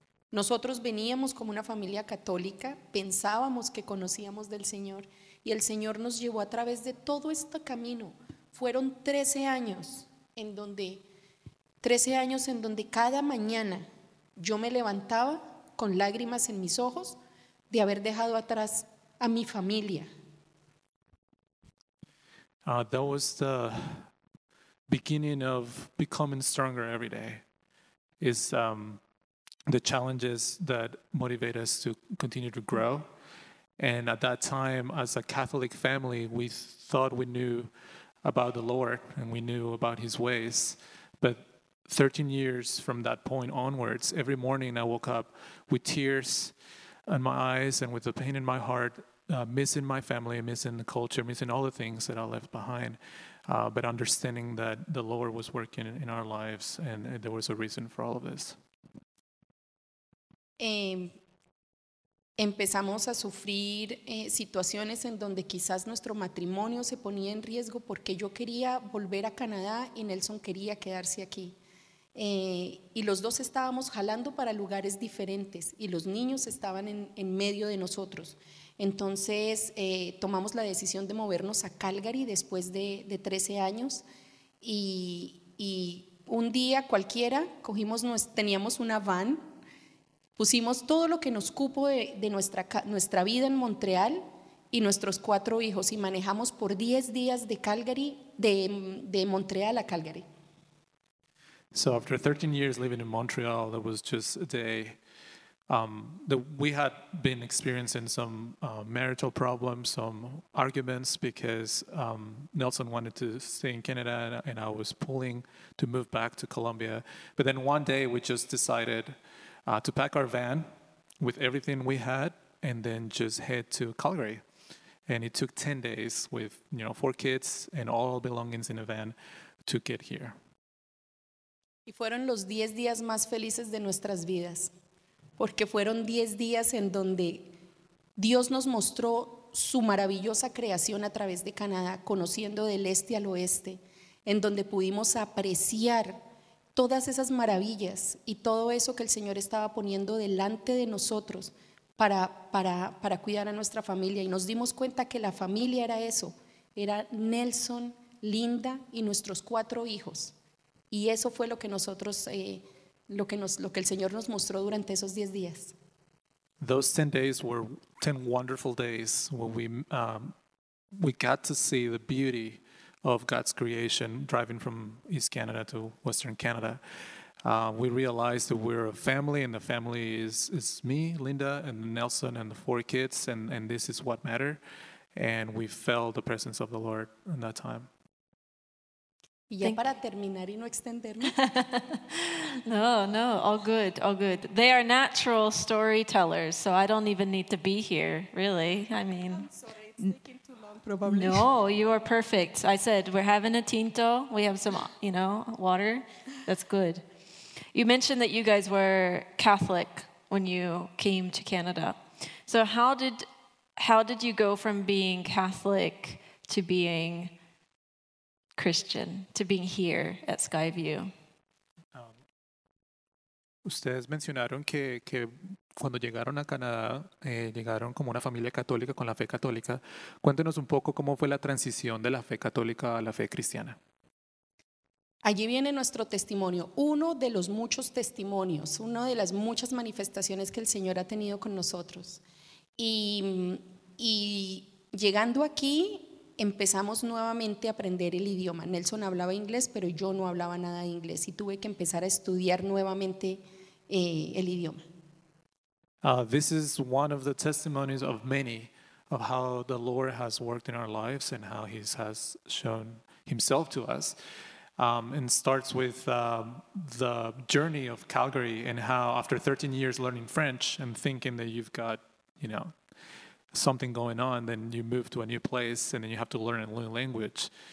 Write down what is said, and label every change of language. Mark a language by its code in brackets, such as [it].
[es] Nosotros veníamos como una familia católica, pensábamos que conocíamos del Señor y el Señor nos llevó a través de todo este camino. Fueron 13 años en donde cada mañana yo me levantaba con lágrimas en mis ojos de haber dejado atrás a mi familia. [en] That was the beginning of becoming stronger every day. Is the challenges that motivate us to continue to grow. And at that time, as a Catholic family, we thought we knew about the Lord and we knew about His ways. But 13 years from that point onwards, every morning I woke up with tears in my eyes and with the pain in my heart, missing my family, missing the culture, missing all the things that I left behind, but understanding that the Lord was working in our lives and there was a reason for all of this. [es] Empezamos a sufrir situaciones en donde quizás nuestro matrimonio se ponía en riesgo porque yo quería volver a Canadá y Nelson quería quedarse aquí. Y los dos estábamos jalando para lugares diferentes y los niños estaban en medio de nosotros. Entonces tomamos la decisión de movernos a Calgary después de 13 años y un día cualquiera teníamos una van, pusimos todo lo que nos cupo de nuestra vida en Montreal y nuestros cuatro hijos y manejamos por 10 días de Calgary, de Montreal a Calgary. [en] So after 13 years living in Montreal, that was just a day that we had been experiencing some marital problems, some arguments, because Nelson wanted to stay in Canada and I was pulling to move back to Colombia. But then one day we just decided to pack our van with everything we had and then just head to Calgary. And it took 10 days with, you know, four kids and all belongings in a van to get here. [es] Y fueron los 10 días más felices de nuestras vidas, porque fueron 10 días en donde Dios nos mostró su maravillosa creación a través de Canadá, conociendo del este al oeste, en donde pudimos apreciar todas esas maravillas y todo eso que el Señor estaba poniendo delante de nosotros para cuidar a nuestra familia. Y nos dimos cuenta que la familia era eso, era Nelson, Linda y nuestros cuatro hijos. Y eso fue lo que nosotros, lo que el Señor nos mostró durante esos 10 días. [en] Those 10 days were 10 wonderful days when we got to see the beauty of God's creation driving from East Canada to Western Canada. We realized that we're a family, and the family is me, Linda, and Nelson, and the four kids, and this is what matter. And we felt the presence of the Lord in that time. [es] Y ya para terminar y no extenderme. [en] No, no, all good, all good. They are natural storytellers, so I don't even need to be here, really. I mean, probably. No, you are perfect. I said, we're having a tinto. We have some, you know, water. That's good. You mentioned that you guys were Catholic when you came to Canada. So how did you go from being Catholic to being Christian, to being here at Skyview? [es] Ustedes mencionaron que cuando llegaron a Canadá, llegaron como una familia católica con la fe católica. Cuéntenos un poco cómo fue la transición de la fe católica a la fe cristiana. Allí viene nuestro testimonio, uno de los muchos testimonios, una de las muchas manifestaciones que el Señor ha tenido con nosotros. Y llegando aquí, empezamos nuevamente a aprender el idioma. Nelson hablaba inglés, pero yo no hablaba nada de inglés y tuve que empezar a estudiar nuevamente el idioma. [en] This is one of the testimonies of many of how the Lord has worked in our lives and how He has shown Himself to us. And starts with the journey of Calgary and how after 13 years learning French and thinking that you've got, you know, something going on, then you move to a new place and then you have to learn a new language.